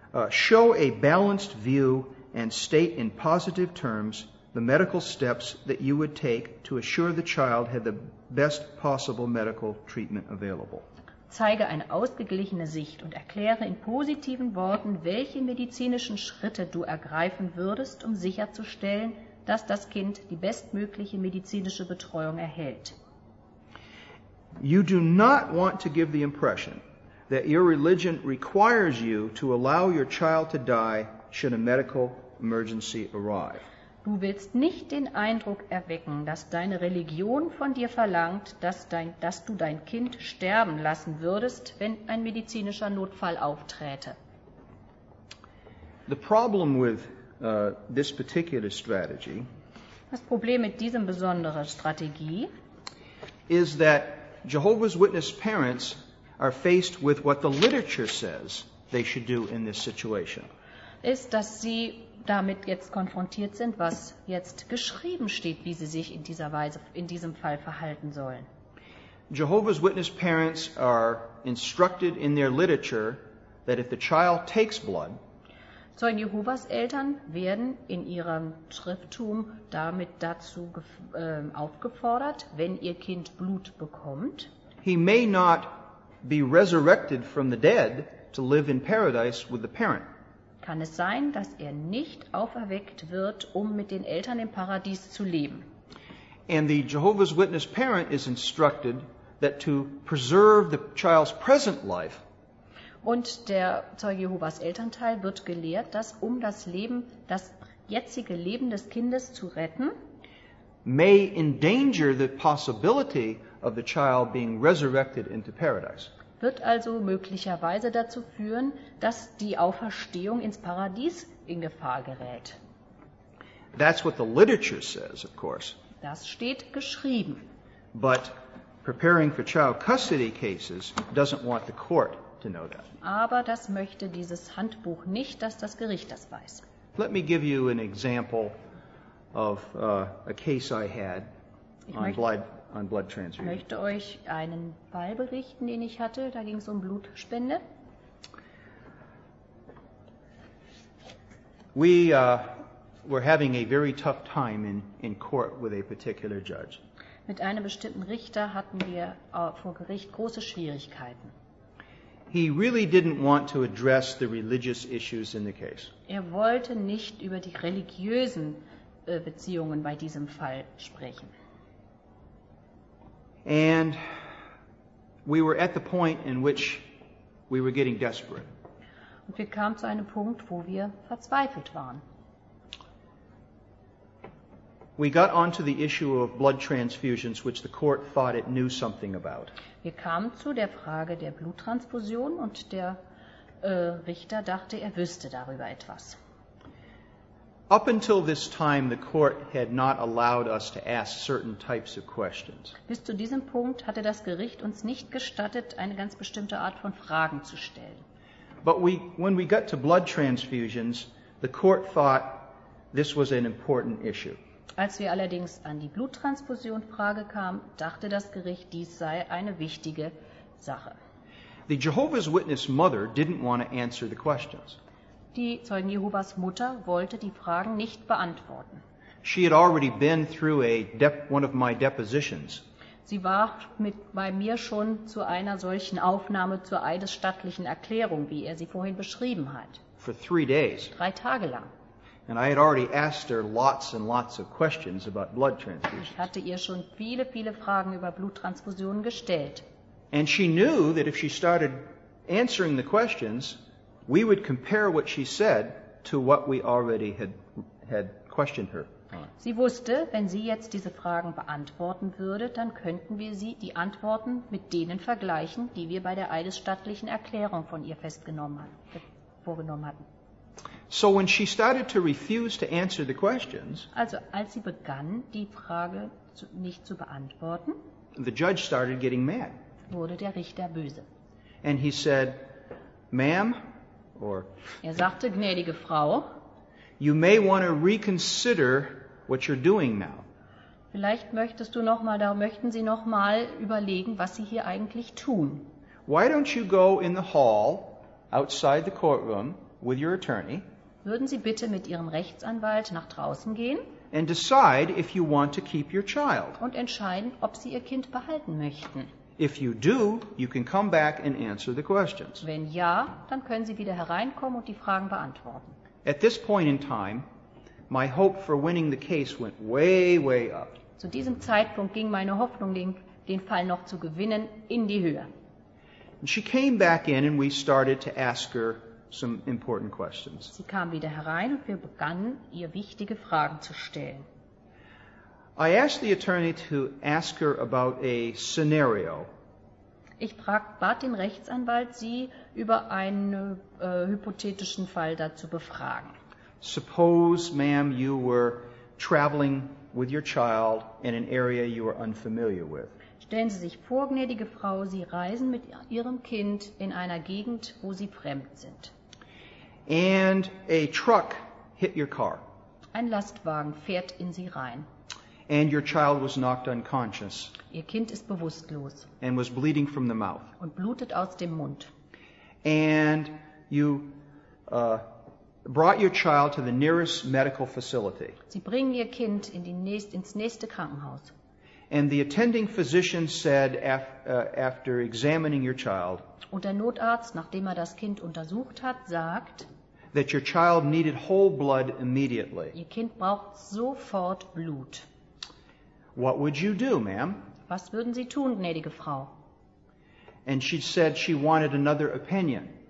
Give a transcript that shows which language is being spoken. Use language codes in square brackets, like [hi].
[en] show a balanced view and state in positive terms the medical steps that you would take to assure the child had the best possible medical treatment available. [de] Zeige eine ausgeglichene Sicht und erkläre in positiven Worten, welche medizinischen Schritte du ergreifen würdest, um sicherzustellen, dass das Kind die bestmögliche medizinische Betreuung erhält. [en] You do not want to give the impression that your religion requires you to allow your child to die should a medical emergency arrive. [de] Du willst nicht den Eindruck erwecken, dass deine Religion von dir verlangt, dass du dein Kind sterben lassen würdest, wenn ein medizinischer Notfall aufträte. [en] The problem with this particular strategy, [de] das Problem mit diesem besonderen Strategie, [en] is that Jehovah's Witness parents are faced with what the literature says they should do in this situation. [de] Ist, dass sie damit jetzt konfrontiert sind, was jetzt geschrieben steht, wie sie sich in dieser Weise, in diesem Fall verhalten sollen. [en] Jehovah's Witness parents are instructed in their literature that if the child takes blood, [de] Zeugen Jehovas Eltern werden in ihrem Schrifttum damit dazu aufgefordert, wenn ihr Kind Blut bekommt, [en] he may not be resurrected from the dead to live in paradise with the parent. [de] Kann es sein, dass er nicht auferweckt wird, um mit den Eltern im Paradies zu leben? [en] And the Jehovah's Witness parent is instructed that to preserve the child's present life. [de] Und der Zeuge Jehovas Elternteil wird gelehrt, dass um das Leben, das jetzige Leben des Kindes zu retten, [en] may endanger the possibility of the child being resurrected into paradise. [de] Wird also möglicherweise dazu führen, dass die Auferstehung ins Paradies in Gefahr gerät. [en] That's what the literature says, of course. [de] Das steht geschrieben. [en] But preparing for child custody cases doesn't want the court to know that. [de] Aber das möchte dieses Handbuch nicht, dass das Gericht das weiß. [en] Let me give you an example of a case I had on blood transfusion. [de] Ich möchte euch einen Fall berichten, den ich hatte. Da ging es um Blutspende. [en] We were having a very tough time in court with a particular judge. [de] Mit einem bestimmten Richter hatten wir vor Gericht große Schwierigkeiten. [en] He really didn't want to address the religious issues in the case. [de] Er wollte nicht über die religiösen Beziehungen bei diesem Fall sprechen. [en] And we were at the point in which we were getting desperate. [de] Und wir kamen zu einem Punkt, wo wir verzweifelt waren. [en] We got onto the issue of blood transfusions, which the court thought it knew something about. [de] Wir kamen zu der Frage der Bluttransfusion und der Richter dachte, er wüsste darüber etwas. [en] Up until this time, the court had not allowed us to ask certain types of questions. [de] Bis zu diesem Punkt hatte das Gericht uns nicht gestattet, eine ganz bestimmte Art von Fragen zu stellen. [en] But when we got to blood transfusions, the court thought this was an important issue. [de] Als wir allerdings an die Bluttransfusionfrage kamen, dachte das Gericht, dies sei eine wichtige Sache. [en] The Jehovah's Witness mother didn't want to answer the questions. [de] Die Zeugen Jehovas Mutter wollte die Fragen nicht beantworten. [en] She had already been through one of my depositions. [de] Sie war bei mir schon zu einer solchen Aufnahme zur eidesstattlichen Erklärung, wie er sie vorhin beschrieben hat. [en] For 3 days. [de] 3 Tage lang. [en] And I had already asked her lots and lots of questions about blood transfusions. [de] Ich hatte ihr schon viele, viele Fragen über Bluttransfusionen gestellt. [en] And she knew that if she started answering the questions, we would compare what she said to what we already had questioned her. [de] Sie wusste, wenn sie jetzt diese Fragen beantworten würde, dann könnten wir sie, die Antworten, mit denen vergleichen, die wir bei der eidesstattlichen Erklärung von ihr vorgenommen hatten. [en] So when she started to refuse to answer the questions, [de] also als sie begann, die Frage nicht zu beantworten, [en] the judge started getting mad. [de] Wurde der Richter böse. [en] And he said, ma'am, or... [de] Er sagte, gnädige Frau, [en] you may want to reconsider what you're doing now. [de] Vielleicht möchtest du noch mal, da möchten Sie noch mal überlegen, was Sie hier eigentlich tun. [en] Why don't you go in the hall outside the courtroom with your attorney? [de] Würden Sie bitte mit Ihrem Rechtsanwalt nach draußen gehen? [en] And decide if you want to keep your child. [de] Und entscheiden, ob Sie Ihr Kind behalten möchten. [en] If you do, you can come back and answer the questions. [de] Wenn ja, dann können Sie wieder hereinkommen und die Fragen beantworten. [en] At this point in time, my hope for winning the case went way, way up. [de] Zu diesem Zeitpunkt ging meine Hoffnung, den Fall noch zu gewinnen, in die Höhe. [en] And she came back in and we started to ask her some important questions. [de] Sie kam wieder herein und wir begannen, ihr wichtige Fragen zu stellen. [en] I asked the attorney to ask her about a scenario. [de] Ich bat den Rechtsanwalt, sie über einen hypothetischen Fall dazu befragen. [en] Suppose, ma'am, you were traveling with your child in an area you were unfamiliar with. [de] Stellen Sie sich vor, gnädige Frau, Sie reisen mit Ihrem Kind in einer Gegend, wo Sie fremd sind. [en] And a truck hit your car. [de] Ein Lastwagen fährt in Sie rein. [en] And your child was knocked unconscious. [de] Ihr Kind ist bewusstlos. [en] And was bleeding from the mouth. [de] Und blutet aus dem Mund. [en] And you brought your child to the nearest medical facility. [de] Sie bringen Ihr Kind in die ins nächste Krankenhaus. [en] And the attending physician said after examining your child. [de] Und der Notarzt, nachdem das Kind untersucht hat, sagt, [en] that your child needed whole blood immediately. [de] Ihr Kind braucht sofort Blut. [en] What would you do, ma'am? [de] Was würden Sie tun, gnädige Frau? [en] And she said she wanted another opinion.